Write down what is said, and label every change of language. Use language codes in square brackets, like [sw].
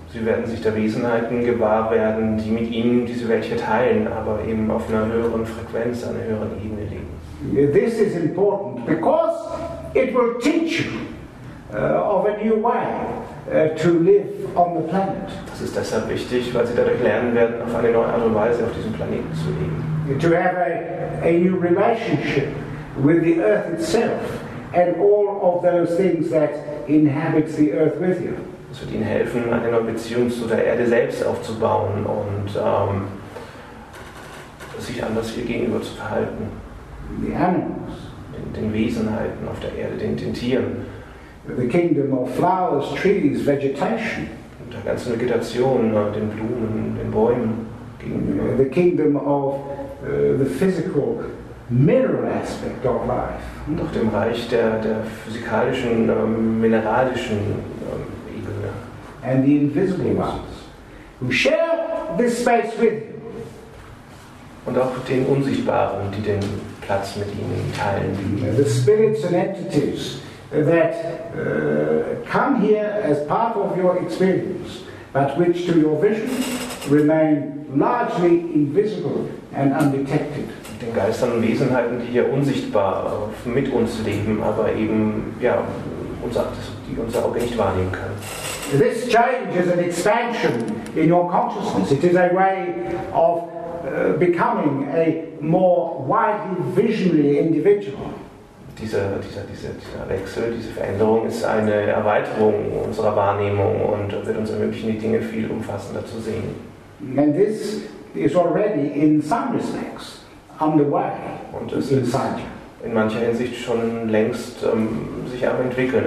[de] Sie werden sich der Wesenheiten gewahr werden, die mit Ihnen diese Welt hier teilen, aber eben auf einer höheren Frequenz, einer höheren Ebene leben. [en] This is important because it will teach you of a new way to live on the planet. [de] Das ist deshalb wichtig, weil Sie dadurch lernen werden, auf eine neue Art und Weise auf diesem Planeten zu leben. [en] To have a new relationship with the Earth itself and all of those things that inhabit the Earth with you. [de] Es wird Ihnen helfen, eine neue Beziehung zu der Erde selbst aufzubauen und sich anders ihr gegenüber zu verhalten. [en] The animals, [de] den Wesenheiten auf der Erde, den Tieren. [en] The kingdom of flowers, trees, vegetation. [de] Und der ganzen Vegetation, den Blumen, den Bäumen gegenüber. [en] The kingdom of the physical mineral aspect of life. [de] Und auch dem Reich der physikalischen, mineralischen Ebene. [en] And the invisible ones, who share this space with you. [de] Und auch den Unsichtbaren, die den Platz mit ihnen teilen. [en] The spirits and entities that come here as part of your experience, but which to your vision remain largely invisible and undetected. [de] Den Geistern und Wesenheiten, die hier unsichtbar mit uns leben, aber eben ja, die unser Auge nicht wahrnehmen kann. [en] This change is an expansion in your consciousness. It is a way of becoming a more widely visionary individual. [de] Dieser Wechsel, diese Veränderung ist eine Erweiterung unserer Wahrnehmung und wird uns ermöglichen, die Dinge viel umfassender zu sehen. [en] And this is already in some respects underway. [de] Und es ist in mancher Hinsicht schon längst sich am entwickeln.